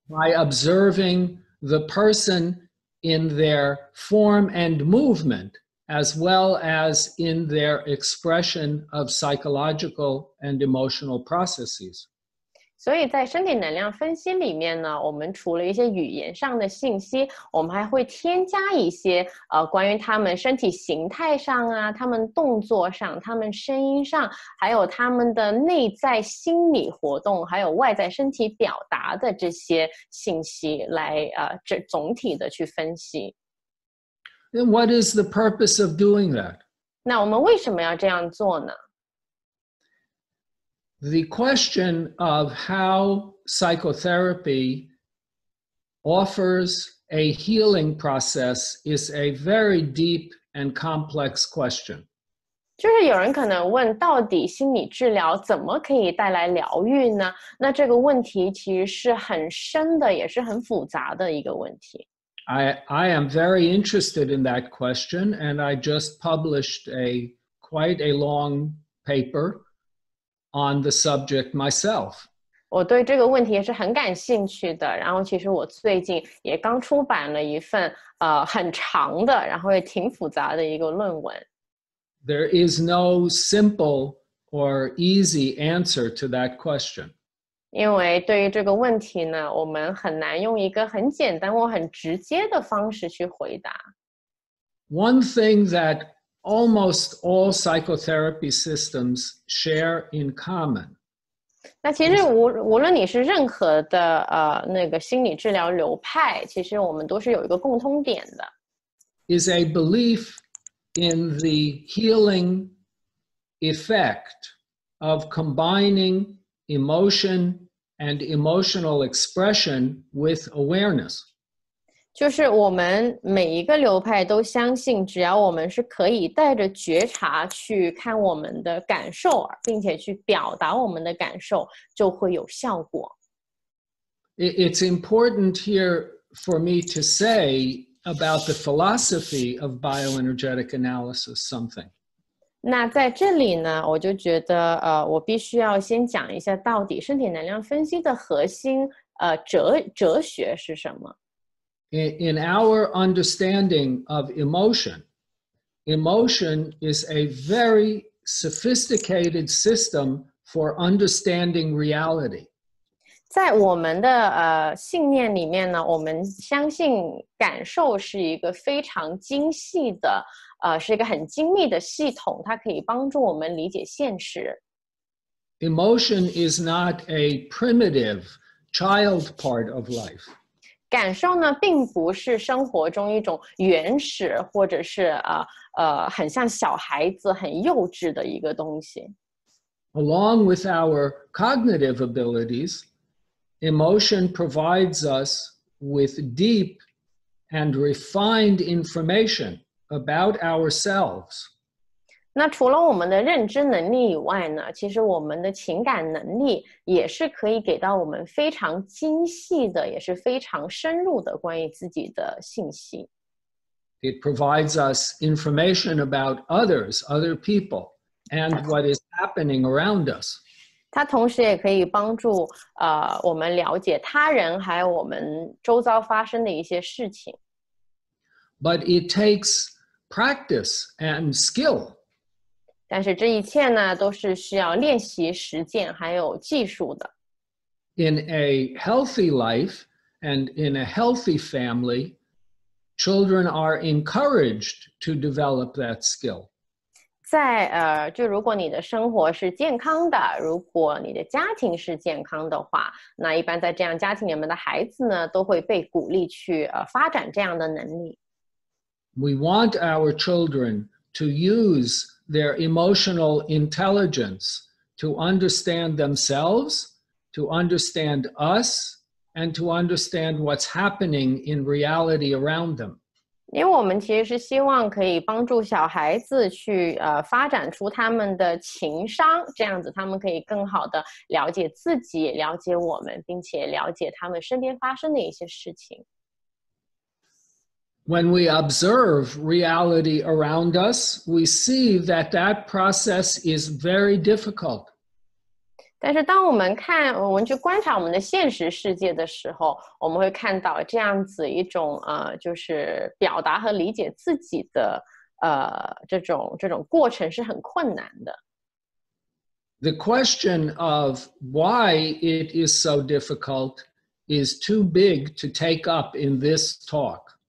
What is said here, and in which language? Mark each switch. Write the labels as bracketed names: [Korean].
[English] observing the person in their form and movement. As well as in their expression of psychological and emotional processes. [Chinese] 所以在身体能量分析里面呢，我们除了一些语言上的信息，我们还会添加一些关于他们身体形态上啊，他们动作上，他们声音上，还有他们的内在心理活动，还有外在身体表达的这些信息来这总体的去分析。 [English] Then what is the purpose of doing that? [Chinese] 那我们为什么要这样做呢? [English] The question of how psychotherapy offers a healing process is a very deep and complex question. [Chinese] 就是有人可能问到底心理治疗怎么可以带来疗愈呢? 那这个问题其实是很深的,也是很复杂的一个问题。 [English] I am very interested in that question, and I just published quite a long paper on the subject myself. [Chinese] 我对这个问题也是很感兴趣的，然后其实我最近也刚出版了一份很长的，然后也挺复杂的一个论文。 [English] There is no simple or easy answer to that question. [Chinese] 因为对于这个问题呢，我们很难用一个很简单或很直接的方式去回答。 [English] One thing that almost all psychotherapy systems share in common. [Chinese] 那其实无论你是任何的那个心理治疗流派，其实我们都是有一个共通点的。 [English] Is a belief in the healing effect of combining. Emotion and emotional expression with awareness. [Chinese] 就是我们每一个流派都相信，只要我们是可以带着觉察去看我们的感受，并且去表达我们的感受，就会有效果。 [English] It's important here for me to say about the philosophy of bioenergetic analysis something. [Chinese] 那在这里呢，我就觉得，我必须要先讲一下到底身体能量分析的核心，哲学是什么。 [English] In our understanding of emotion, emotion is a very sophisticated system for understanding reality. [Chinese] 在我们的信念里面呢，我们相信感受是一个非常精细的，是一个很精密的系统，它可以帮助我们理解现实。 [English] Emotion is not a primitive child part of life. [Chinese] 感受呢并不是生活中一种原始或者是、很像小孩子很幼稚的一个东西。 [English] Along with our cognitive abilities, emotion provides us with deep and refined information about ourselves. [Chinese] 那除了我们的认知能力以外呢，其实我们的情感能力也是可以给到我们非常精细的，也是非常深入的关于自己的信息。 [English] It provides us information about others, other people. And what is happening around us. [Chinese] 它同时也可以帮助、我们了解他人还有我们周遭发生的一些事情。 [English] But it takes practice and skill. [Chinese] 但是这一切呢都是需要练习实践还有技术的。 [English] In a healthy life and in a healthy family, children are encouraged to develop that skill. [Chinese] 在就如果你的生活是健康的，如果你的家庭是健康的话，那一般在这样家庭里面的孩子呢，都会被鼓励去发展这样的能力。 [English] We want our children to use their emotional intelligence to understand themselves, to understand us, and to understand what's happening in reality around them. [Chinese] 因为我们其实是希望可以帮助小孩子去、发展出他们的情商，这样子他们可以更好的了解自己，了解我们，并且了解他们身边发生的一些事情。 [English] When we observe reality around us, we see that that process is very difficult. [Chinese] 但是当我们去观察我们的现实世界的时候，我们会看到这样子一种、就是表达和理解自己的、这种过程是很困难的。 [English] The question of why it is so difficult is too big to take up in this talk.